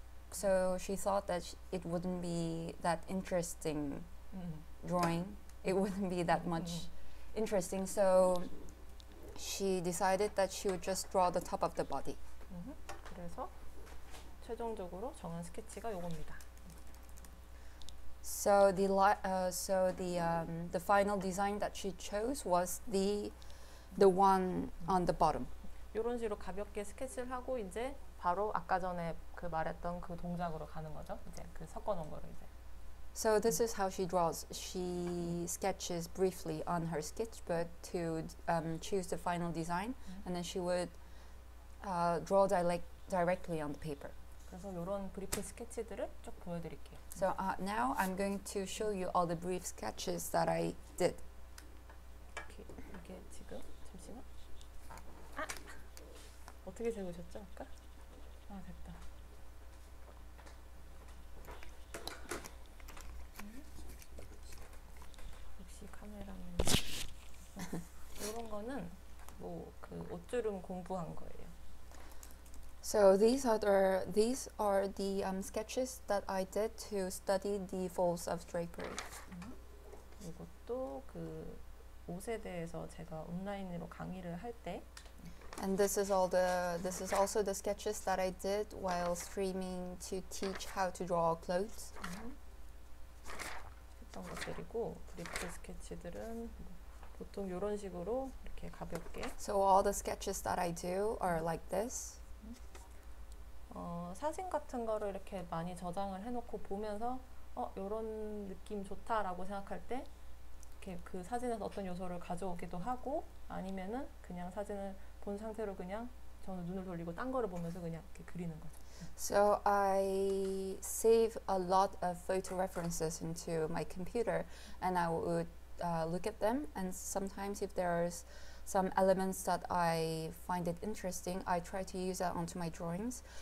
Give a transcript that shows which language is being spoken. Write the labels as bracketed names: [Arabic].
[English] So she thought that it wouldn't be that interesting drawing. It wouldn't be that much interesting. So she decided that she would just draw the top of the body. [Korean] 그래서 최종적으로 정한 스케치가 요겁니다. [English] So the final design that she chose was the one on the bottom. [Korean] 이런 식으로 가볍게 스케치를 하고 이제 바로 아까 전에 그 말했던 그 동작으로 가는 거죠. 이제 그 섞어놓은 거를 이제. [English] So this is how she draws. She sketches briefly on her sketchbook to choose the final design, and then she would draw directly on the paper. [Korean] 그래서 이런 브리프 스케치들을 쭉 보여드릴게요. [English] So now I'm going to show you all the brief sketches that I did. [Korean] 오케이, 이게 지금 잠시만. 아, 어떻게 세우셨죠 아까? 아 됐다. 역시 카메라는 이런 거는 뭐 그 옷주름 공부한 거예요. [English] So these are the sketches that I did to study the folds of drapery. [Korean] 이것도 그 옷에 대해서 제가 온라인으로 강의를 할 때. [English] And this is also the sketches that I did while streaming to teach how to draw clothes. [Korean] 했던 것들이고 브리프 스케치들은 보통 이런 식으로 이렇게 가볍게. [English] So all the sketches that I do are like this. [Korean] 사진 같은 거를 이렇게 많이 저장을 해놓고 보면서 이런 느낌 좋다라고 생각할 때 이렇게 그 사진에서 어떤 요소를 가져오기도 하고 아니면은 그냥 사진을 본 상태로 그냥 저는 눈을 돌리고 딴 거를 보면서 그냥 이렇게 그리는 거죠. [English] So I save a lot of photo references into my computer and I would look at them and sometimes if there's some elements that I find it interesting, I try to use that onto my drawings.